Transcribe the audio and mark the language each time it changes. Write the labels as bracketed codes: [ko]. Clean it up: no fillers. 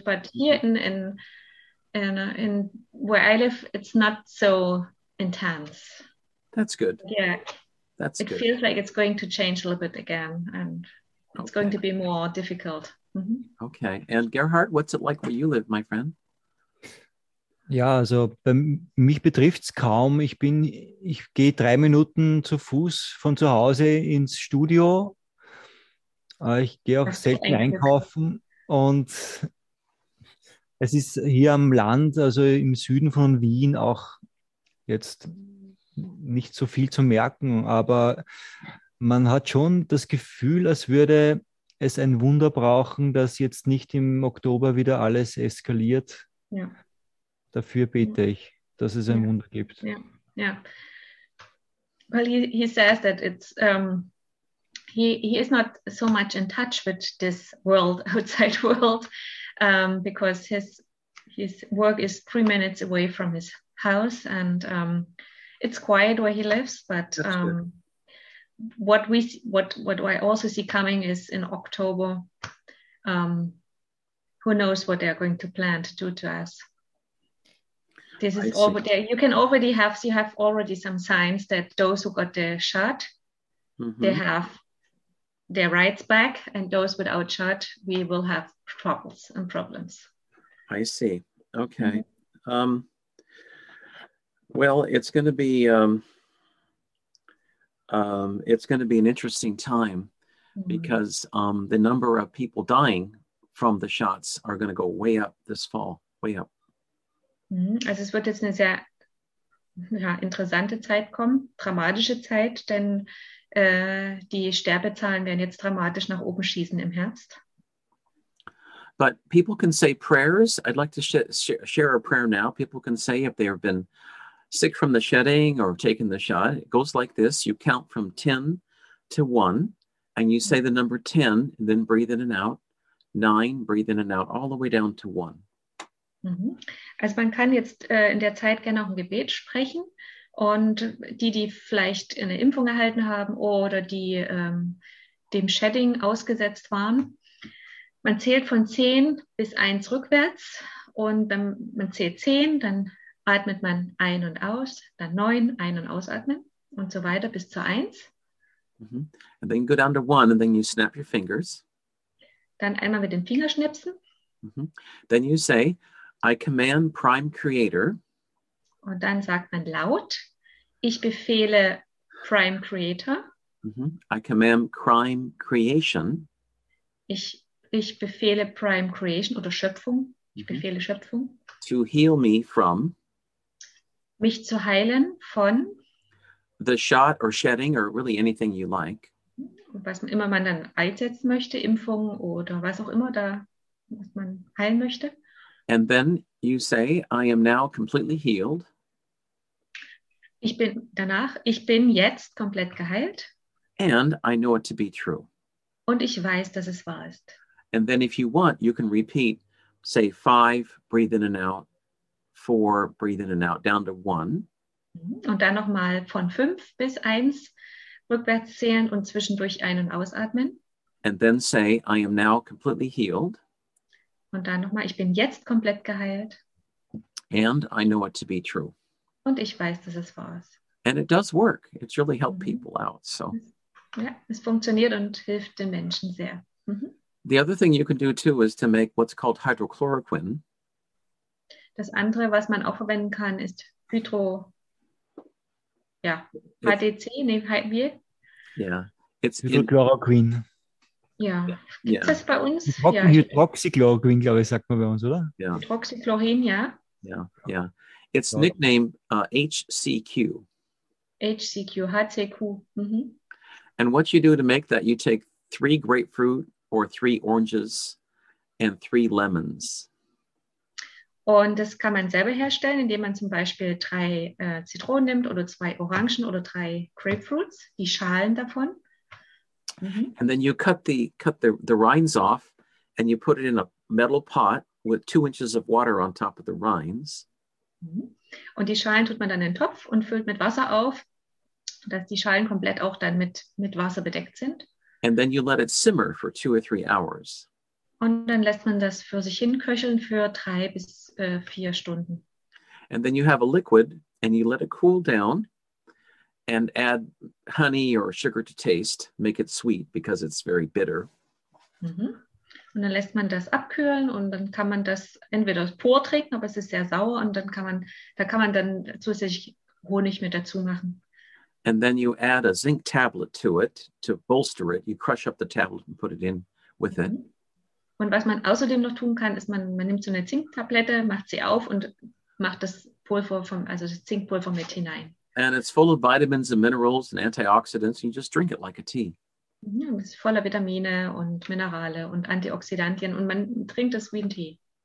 [en] But here in where I live, it's not so intense. That's good. Yeah, that's it good. Feels like it's going to change a little bit again, and it's okay. Going to be more difficult. Mm-hmm. Okay, and Gerhard, what's it like where you live, my friend? [de] Ja, also mich betrifft es kaum. Ich gehe 3 Minuten zu Fuß von zu Hause ins Studio. Ich gehe auch selten einkaufen und es ist hier am Land, also im Süden von Wien, auch jetzt nicht so viel zu merken, aber man hat schon das Gefühl, als würde es ein Wunder brauchen, dass jetzt nicht im Oktober wieder alles eskaliert. Ja. Dafür bete ich, dass es ein Wunder gibt. Ja. [en] Well, he says that it's... He is not so much in touch with this world, outside world, because his work is 3 minutes away from his house, and it's quiet where he lives. But what I also see coming is in October. Who knows what they are going to plan to do to us? This is over there. You have already some signs that those who got the shot, they have their rights back, and those without shot, we will have troubles and problems. I see. Okay. Mm-hmm. Well, it's going to be an interesting time, because the number of people dying from the shots are going to go way up this fall, way up. Mm-hmm. [de] Also es wird jetzt eine sehr interessante Zeit kommen, dramatische Zeit, denn die Sterbezahlen werden jetzt dramatisch nach oben schießen im Herbst. [en] But people can say prayers. I'd like to share a prayer now. People can say if they have been sick from the shedding or taken the shot. It goes like this. You count from 10 to 1 and you say the number 10, then breathe in and out. 9, breathe in and out, all the way down to 1. [de] Also man kann jetzt in der Zeit gerne auch ein Gebet sprechen. Und die, die vielleicht eine Impfung erhalten haben oder die dem Shedding ausgesetzt waren, man zählt von 10 bis 1 rückwärts. Und wenn man zählt 10, dann atmet man ein und aus, dann 9, ein und ausatmen und so weiter bis zur 1. Mm-hmm. [en] And then go down to 1 and then you snap your fingers. [de] Dann einmal mit den Finger schnipsen. [en] Mm-hmm. Then you say, I command Prime Creator. [de] Und dann sagt man laut, ich befehle Prime Creator. [en] Mm-hmm. I command Prime Creation. [de] Ich befehle Prime Creation oder Schöpfung. Ich mm-hmm. befehle Schöpfung. [en] To heal me from. [de] Mich zu heilen von. [en] The shot or shedding or really anything you like. [de] Was immer man dann einsetzen möchte, Impfung oder was auch immer da, was man heilen möchte. [en] And then you say, I am now completely healed. [de] Ich bin jetzt komplett geheilt. [en] And I know it to be true. [de] Und ich weiß, dass es wahr ist. [en] And then if you want, you can repeat, say 5, breathe in and out, 4, breathe in and out, down to 1. [de] Und dann nochmal von 5 bis 1 rückwärts zählen und zwischendurch ein- und ausatmen. [en] And then say, I am now completely healed. [de] Und dann nochmal, ich bin jetzt komplett geheilt. [en] And I know it to be true. [de] Und ich weiß, dass es wahr ist. [en] And it does work. It's really helped people out. So. [de] Ja, es funktioniert und hilft den Menschen sehr. Mhm. [en] The other thing you can do too is to make what's called hydrochloroquine. [de] Das andere, was man auch verwenden kann, ist Hydro... Ja, HDC, nehmen wir. Ja, [en] it's Hydrochloroquine. In- [de] Ja, gibt es das bei uns? Hydroxychloroquine, glaube ich, sagt man bei uns, oder? [en] Yeah. Hydroxychlorin, ja. [de] Ja, ja. [en] It's nicknamed HCQ. HCQ, HCQ. Mm-hmm. And what you do to make that, you take 3 grapefruit or 3 oranges and 3 lemons. [de] Und das kann man selber herstellen, indem man zum Beispiel 3 Zitronen nimmt oder 2 Orangen oder 3 Grapefruits, die Schalen davon. Mm-hmm. [en] And then you cut the rinds off and you put it in a metal pot with 2 inches of water on top of the rinds. Mm-hmm. [de] Und die Schalen tut man dann in den Topf und füllt mit Wasser auf, dass die Schalen komplett auch dann mit Wasser bedeckt sind. [en] And then you let it simmer for 2 or 3 hours. [de] Und dann lässt man das für sich hin köcheln für 3 bis 4 Stunden. [en] And then you have a liquid and you let it cool down. And add honey or sugar to taste. Make it sweet because it's very bitter. Mm-hmm. [de] Und dann lässt man das abkühlen und dann kann man das entweder pur trinken, aber es ist sehr sauer und dann kann man dann zusätzlich Honig mit dazu machen. [en] And then you add a zinc tablet to it to bolster it. You crush up the tablet and put it in with it. [de] Und was man außerdem noch tun kann, ist man nimmt so eine Zinktablette, macht sie auf und macht das Pulver vom also das Zinkpulver mit hinein. [en] And it's full of vitamins and minerals and antioxidants. You just drink it like a tea. [de] Ja, es ist voller Vitamine und Minerale und Antioxidantien und man trinkt das wie ein Tee.